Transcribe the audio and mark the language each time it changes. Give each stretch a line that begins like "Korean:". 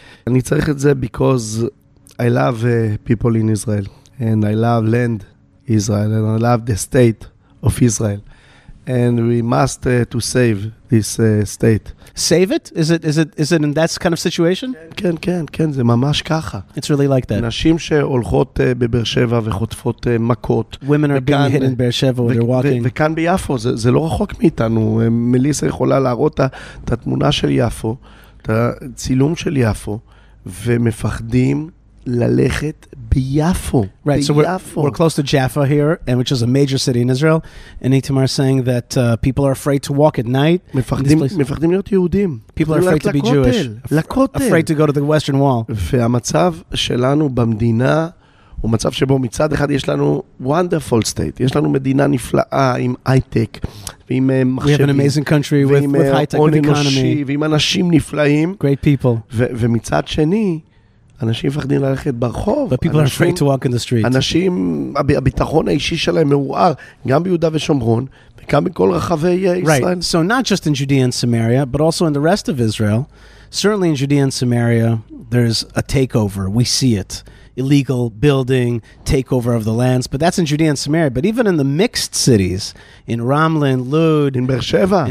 Hebrew: אני צריך את זה
English: because I love people in Israel, and I love land Israel, and I love the state of Israel. And we must to save this state. Save it? Is it in that kind of situation?
Hebrew: כן, זה ממש ככה.
English: It's really like that.
Hebrew: נשים שהולכות בבאר שבע וחוטפות מכות.
English: Women are being hit in באר שבע when they're walking.
Hebrew: וכאן ביפו, זה לא רחוק מאיתנו. מליסה יכולה להראות את התמונה של יפו, את הצילום של יפו, ומפחדים ללכת ביפו.
English: Right,
Hebrew: ביפו.
English: So we're close to Jaffa here, and which is a major city in Israel. And Itamar is saying that people are afraid to walk at night.
Hebrew: מפחדים להיות יהודים.
English: People are afraid to be Jewish.
Hebrew: לכותל.
English: Afraid to go to the Western Wall.
Hebrew: והמצב שלנו במדינה הוא מצב שבו מצד אחד יש לנו
English: wonderful state.
Hebrew: יש לנו מדינה נפלאה עם הייטק ועם מחשבים.
English: We have an amazing country with high-tech and economy.
Hebrew: ועם אנשים נפלאים.
English: Great people.
Hebrew: ומצד שני, אנשים מפחדים ללכת ברחוב.
English: But people are afraid to walk in the street.
Hebrew: אנשים, הביטחון האישי שלהם מעורער, גם ביהודה ושומרון, וגם בכל רחבי ישראל.
English: Right, so not just in Judea and Samaria, but also in the rest of Israel. Certainly in Judea and Samaria, there's a takeover. We see it. Illegal building, takeover of the lands. But that's in Judea and Samaria. But even in the mixed cities, in Ramla, in Lod. In Be'er Sheva.